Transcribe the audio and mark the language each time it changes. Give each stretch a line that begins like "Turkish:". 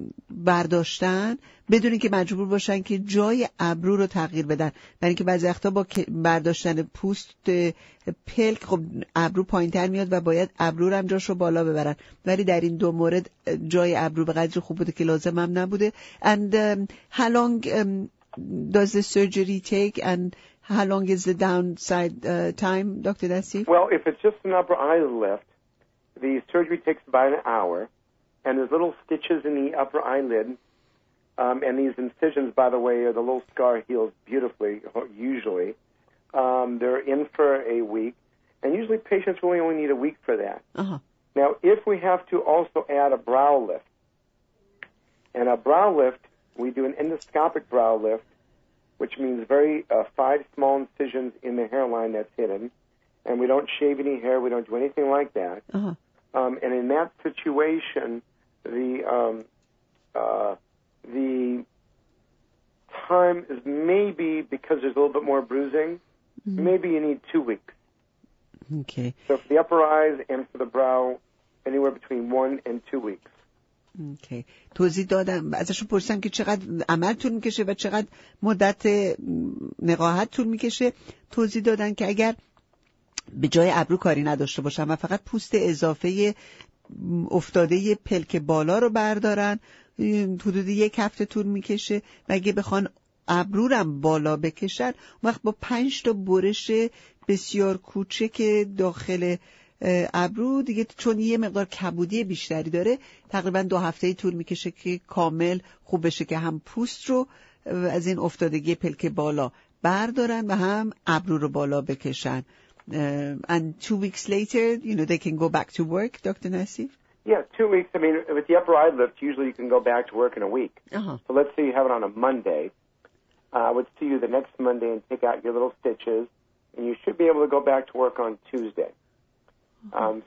Persian: برداشتن بدون اینکه مجبور باشن که جای ابرو رو تغییر بدن، برای اینکه بعضی وقتا با برداشتن پوست پلک خب ابرو پایین‌تر میاد و باید ابرو رو هم جاش رو بالا ببرن، ولی در این دو مورد جای ابرو به قدر خوب بوده که لازم هم نبوده.
English: And how long does the surgery take and how long is the downside time, Dr. Nassif? Well, if it's just an upper eye lift, the surgery takes about an hour. And there's little stitches in the upper eyelid. And these incisions, by the way, are the little scar heals beautifully, usually. They're in for a week. And usually patients really only need a week for that. Uh-huh. Now, if we have to also add a brow lift, and a brow lift, we do an endoscopic brow lift, which means very five small incisions in the hairline that's hidden. And we don't shave any hair. We don't do anything like that. Uh-huh. And in that situation, the time is maybe, because there's a little bit more bruising, mm-hmm. maybe you need 2 weeks. Okay. So for the upper eyes and for the brow, anywhere between 1 and 2 weeks.
Persian: Okay. توضیح دادم. ازشون پرسیدم که چقدر عمل طول میکشه و چقدر مدت نقاهت طول میکشه. توضیح دادن که اگر به جای ابرو کاری نداشته باشن و فقط پوست اضافه افتاده پلک بالا رو بردارن، حدود یک هفته طول میکشه و اگه بخوان ابرو رو هم بالا بکشن، وقت با 5 تا برش بسیار کوچک داخل ابرو دیگه، چون یه مقدار کبودی بیشتری داره، تقریبا 2 هفته طول میکشه که کامل خوب بشه، که هم پوست رو از این افتادگی پلک بالا بردارن و هم ابرو رو بالا بکشن.
English: And 2 weeks later, you know, they can go back to work, Dr. Nassif? Yeah, 2 weeks. I mean, with the upper eye lift, usually you can go back to work in a week. Uh-huh. So let's say you have it on a Monday. I would see you the next Monday and take out your little stitches, and you should be able to go back to work on Tuesday. Uh-huh.